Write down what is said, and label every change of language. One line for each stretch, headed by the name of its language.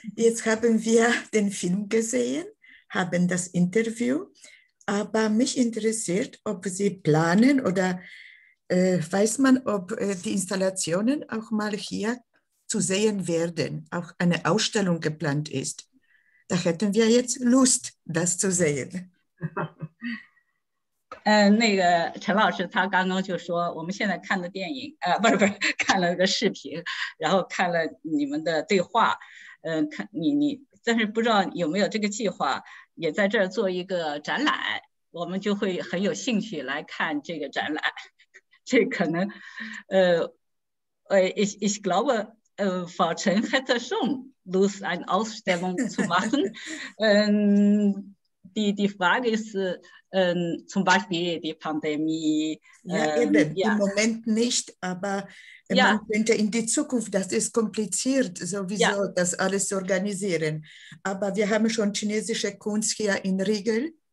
German: Jetzt haben wir den Film gesehen, haben das Interview, aber mich interessiert, ob Sie planen oder weiß man, ob die Installationen auch mal hier zu sehen werden, auch eine Ausstellung geplant ist. Da hätten wir jetzt Lust, das zu sehen.
Chinese: 那个陈老师他刚刚就说，我们现在看的电影，不是看了个视频，然后看了你们的对话，看你，但是不知道有没有这个计划，也在这儿做一个展览，我们就会很有兴趣来看这个展览。这可能，
German: ich glaube, Frau Chen hätte schon Lust, eine Ausstellung zu machen. die Frage ist, zum Beispiel die Pandemie. Ja. Im Moment nicht, aber man könnte in die Zukunft, das ist kompliziert, sowieso das alles zu organisieren. Aber wir haben schon chinesische Kunst hier in Riegel.